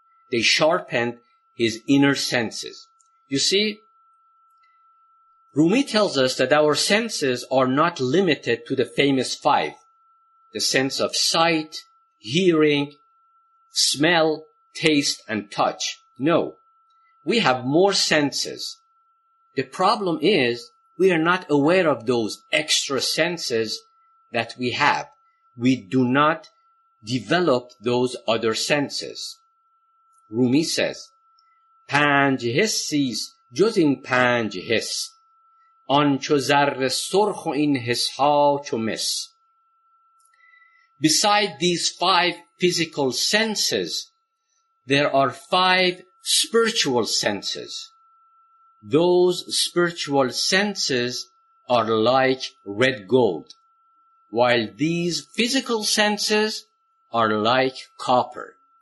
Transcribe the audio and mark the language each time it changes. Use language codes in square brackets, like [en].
[en] They sharpened his inner senses. You see, Rumi tells us that our senses are not limited to the famous five: the sense of sight, hearing, smell, taste, and touch. No, we have more senses. The problem is we are not aware of those extra senses that we have. We do not develop those other senses. Rumi says, [fa] پنج حسیس جز این پنج حس آنچو زر سرخ و این حسها چو مس. [en] Beside these five physical senses, there are five spiritual senses. Those spiritual senses are like red gold, while these physical senses are like copper.